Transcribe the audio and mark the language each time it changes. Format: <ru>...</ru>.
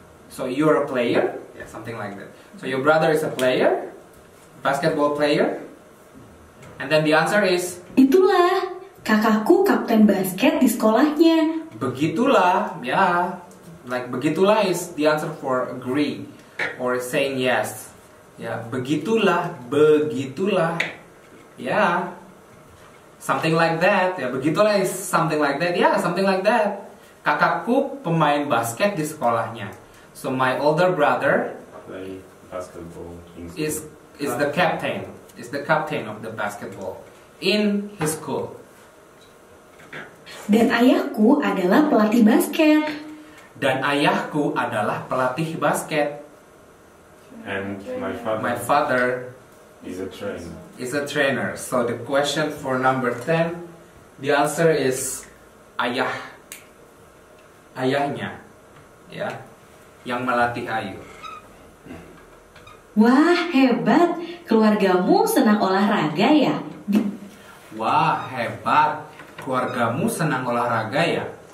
<en>So you're a player? Yeah, something like that. So your brother is a player? basketball player? And then the answer is,</en> <id>itulah, kakakku kapten basket di sekolahnya. Begitulah, ya.</id> <en>Like, begitulah is the answer for agree or saying yes.</en> <id>Ya, begitulah, begitulah. Ya.</id> <en>Something like that.</en> <id>Ya, begitulah</id> <en>is something like that.</en> <id>Ya,</id> <en>something like that.</en> <id>Kakakku pemain basket di sekolahnya.</id> <en>So my older brother play basketball in school. Is the captain. Is the captain of the basketball in his school.</en> <id>Dan ayahku adalah pelatih basket. Dan ayahku adalah pelatih basket.</id> <en>And my father is a trainer. Is a trainer. So the question for number 10, the answer is ayah.</en> <id>Ayahnya, ya, yang melatih Ayu. Wah, hebat. Keluargamu senang olahraga ya? Wah, hebat. Keluargamu senang olahraga ya?</id>